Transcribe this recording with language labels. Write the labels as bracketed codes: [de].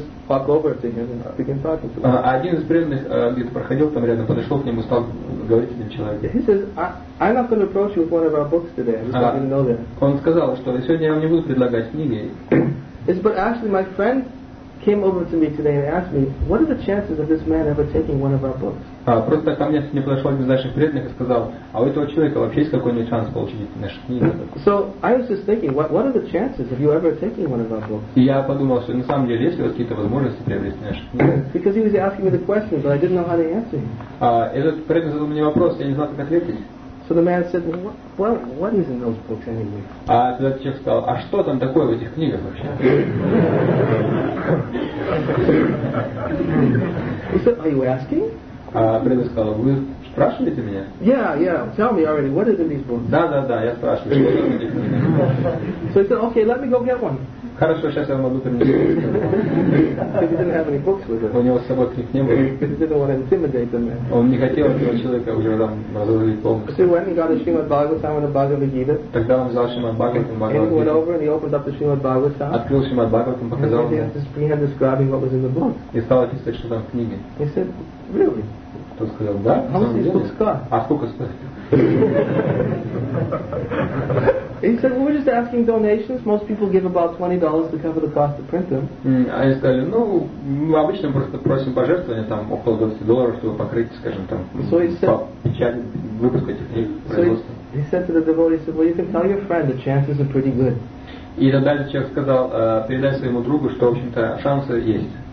[ru] Один из преданных где-то проходил там рядом, подошел к нему, стал говорить с этим человеком. [en] He says, I'm not going to approach you with one of our books today. I'm just not going to know that. [ru] Он сказал, что сегодня я вам не буду предлагать книги. [en] But actually, my friend came over to me today and asked me, what are the chances of this man ever taking one of our books? [ru] Просто ко мне не подошел один из наших преданных и сказал: а у этого человека вообще есть какой-нибудь шанс получить эти наши книги? [en] So I was just thinking, what are the chances of you ever taking one of our books? [ru] И я подумал, что на самом деле есть ли у вас какие-то возможности приобрести наши книги? [en] Because he was asking me the question, but I didn't know how to answer him. [ru] Этот преданный задал мне вопрос, я не знал, как ответить. [en] So the man said, what is in those books anyway? [ru] А этот человек сказал: а что там такое в этих книгах вообще? [en] He said, are you asking? [ru] Преданный сказал: вы спрашиваете меня? [en] Yeah, tell me already, what is in these books? [ru] Да, я спрашиваю, что там в этих книгах. [en] So he said, okay, let me go get one. [ru] Хорошо, сейчас я вам одну принесу. [en] He didn't have any books with him. [ru] У него с собой книг не было. [en] He didn't want to intimidate the man. [ru] Он не хотел этого человека уже там разрушить полностью. [en] So he went and got a Srimad Bhagavatam and a Bhagavad Gita. [ru] Тогда он взял Srimad Bhagavatam [en] and Bhagavad Gita. And he went over and he opened up the Srimad Bhagavatam. [ru] Открыл Srimad Bhagavatam, показал ему. [en] And he began describing what was in the book. [ru] И стал описывать, что там в книге. [en] He said, really? [ru] Тот сказал: да. [en] How much these books cost? [ru] А сколько стоит? [en] He said, well, we're just asking donations. Most people give about $20 to cover the cost of printing. [ru] Они сказали: ну, мы обычно просто просим пожертвования, там, около $20, чтобы покрыть, скажем, там, печать, выпуск этих книг, производства. [en] He said to the devotee, he said, well, you can tell your friend the chances are pretty good. [ru] И тогда человек сказал: передай своему другу, что, в общем-то, шансы есть.